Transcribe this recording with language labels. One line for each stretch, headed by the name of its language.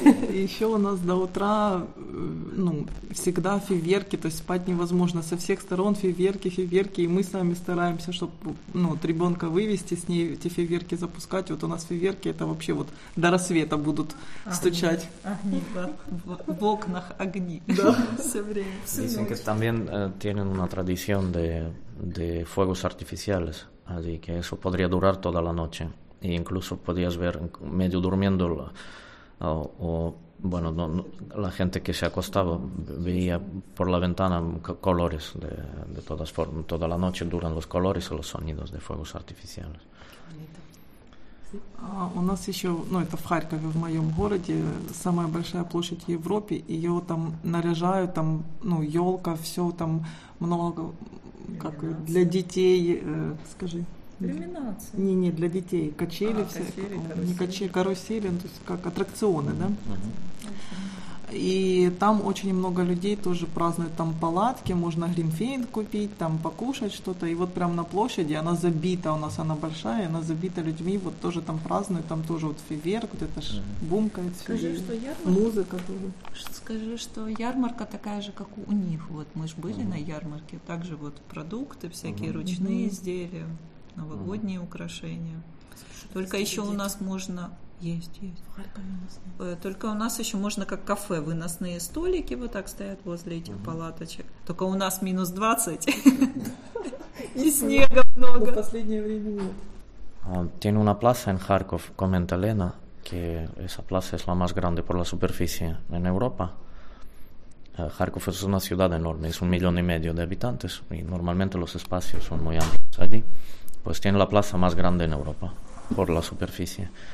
Russian: Еще у нас до утра, ну, всегда фейерверки, то есть спать невозможно. Со всех сторон фейерверки, фейерверки, и мы сами стараемся, чтобы, ну, вот ребенка вывести, с ней эти фейерверки запускать. Вот у нас фейерверки, это вообще вот до рассвета будут огни, стучать. Огни, да. В окнах огни. Да. Все время.
Spanish: Dicen que también tienen una tradición de fuegos artificiales, así que eso podría durar toda la noche. E incluso podías ver medio durmiendo o la gente que se acostaba veía por la ventana colores de todas formas. Toda la noche duran los colores o los sonidos de fuegos artificiales.
Russian: У нас еще, ну, это в Харькове, в моем городе, самая большая площадь в Европе, ее там наряжают, там, ну, елка, все там много, как для детей, скажи. Иллюминация. Не-не, для детей, качели все, карусели, не качели, карусели, то есть как аттракционы, да? Uh-huh. И там очень много людей тоже празднуют, там палатки, можно гримфейн купить, там покушать что-то, и вот прям на площади, она забита у нас, она большая, она забита людьми, вот тоже там празднуют, там тоже вот фейерверк, где-то ж бумкает все. Скажи, что ярмарка, музыка тоже. Скажи, что ярмарка такая же, как у них, вот мы же были на ярмарке, также вот продукты всякие, ручные изделия, новогодние украшения, только еще у нас можно... Есть. Только у нас еще можно как кафе, выносные столики вот так стоят возле этих палаточек. Только у нас минус 20 и снега много. В последнее время нет.
Spanish: Tiene una plaza en Kharkov, comenta Elena, que esa plaza es la más grande por la superficie en Europa. Kharkov es una ciudad enorme, es 1,5 million de habitantes y normalmente los espacios son muy amplios allí. Pues tiene la plaza más grande en Europa. Por la superficie.